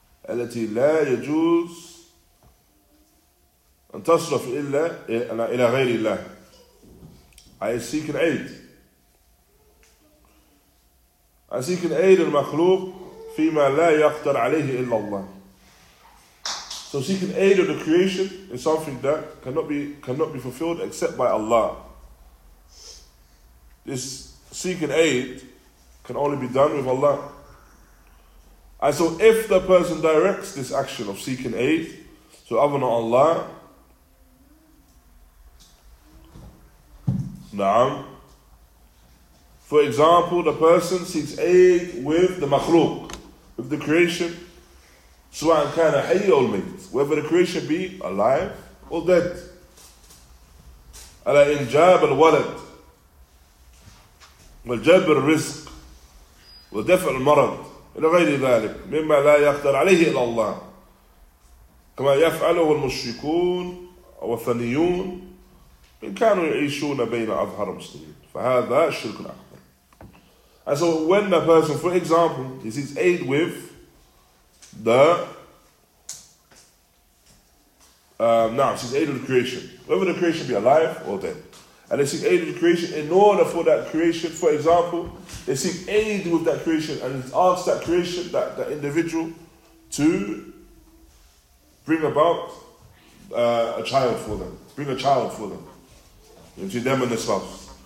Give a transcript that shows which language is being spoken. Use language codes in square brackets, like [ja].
[ar] التي لا يجوز أن تصرف إلا إلى غير الله. [en] I seek an aid in makhluq [ar] فيما لا يقدر عليه إلا الله. [en] So seeking aid of the creation is something that cannot be fulfilled except by Allah. This seeking aid can only be done with Allah. And so if the person directs this action of seeking aid to other than Allah, na'am, for example, the person seeks aid with the makhluq, with the creation, [ar] سواء كان حي أو ميت, [en] whether the creation be alive or dead. [ar] على إنجاب الولد والجبر الرزق ودفع المرض إلى غير ذلك مما لا يقدر عليه إلا الله كما يفعله المشركون أو الثنيون إن كانوا يعيشون بين أظهر المسلمين فهذا الشرك الأكبر. [en] And so when a person, for example, he seeks aid with the seeks aid of the creation, whether the creation be alive or dead, and they seek aid of the creation in order for that creation, for example, they seek aid with that creation and ask that creation, that individual, to bring about a child for them, bring a child for them, into them and their spouse.